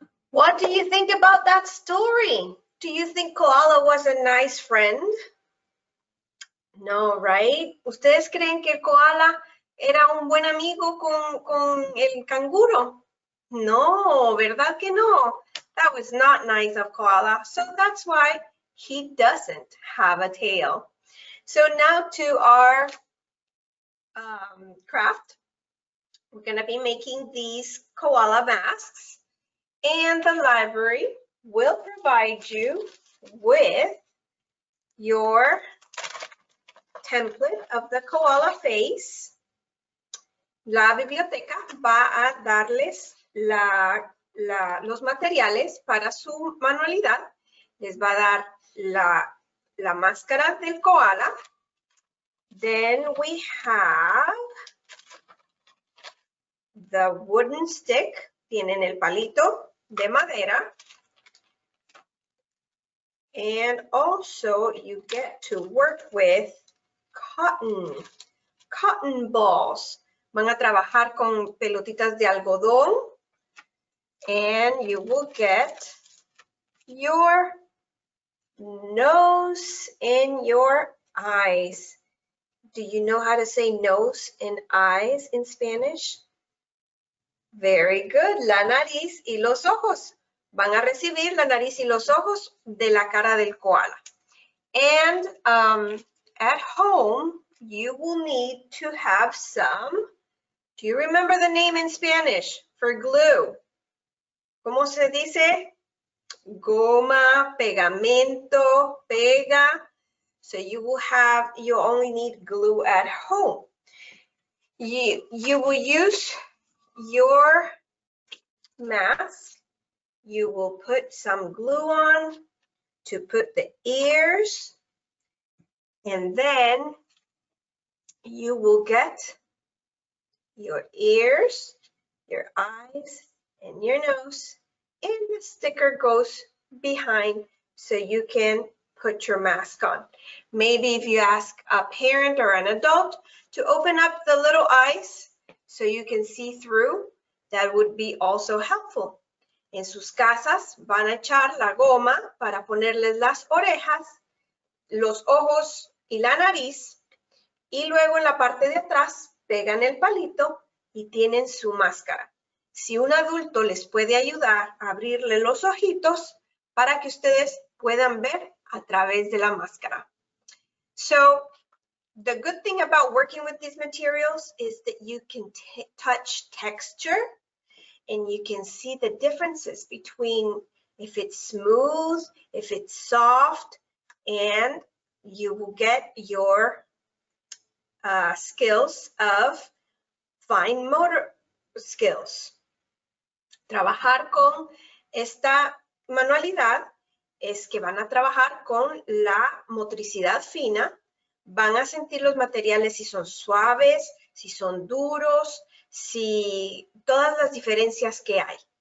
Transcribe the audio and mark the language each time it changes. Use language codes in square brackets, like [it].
[en] What do you think about that story? Do you think Koala was a nice friend? No, right? [es] ¿Ustedes creen que el Koala era un buen amigo con el canguro? No, ¿verdad que no? [en] That was not nice of Koala. So that's why he doesn't have a tail. So now to our craft. We're going to be making these koala masks. And the library will provide you with your template of the koala face. [es] La biblioteca va a darles los materiales para su manualidad. Les va a dar la máscara del koala. [en] Then we have the wooden stick. [es] Tienen el palito de madera. [en] And also you get to work with cotton balls. [es] Van a trabajar con pelotitas de algodón. [en] And you will get your nose and your eyes. Do you know how to say nose and eyes in Spanish? Very good. [es] La nariz y los ojos. Van a recibir la nariz y los ojos de la cara del koala. [en] And at home, you will need to have some. Do you remember the name in Spanish for glue? [es] ¿Cómo se dice? Goma, pegamento, pega. [en] So you will have, you only need glue at home. You will use your mask. You will put some glue on to put the ears. And then you will get your ears, your eyes, and your nose. And the sticker goes behind so you can put your mask on. Maybe if you ask a parent or an adult to open up the little eyes so you can see through, that would be also helpful. [es] En sus casas van a echar la goma para ponerles las orejas, los ojos y la nariz. Y luego en la parte de atrás pegan el palito y tienen su máscara. Si un adulto les puede ayudar a abrirle los ojitos para que ustedes puedan ver a través de la máscara. [en] So, the good thing about working with these materials is that you can touch texture and you can see the differences between if it's smooth, if it's soft, and you will get your skills of fine motor skills. [es] Trabajar con esta manualidad es que van a trabajar con la motricidad fina. Van a sentir los materiales si son suaves, si son duros, si todas las diferencias que hay.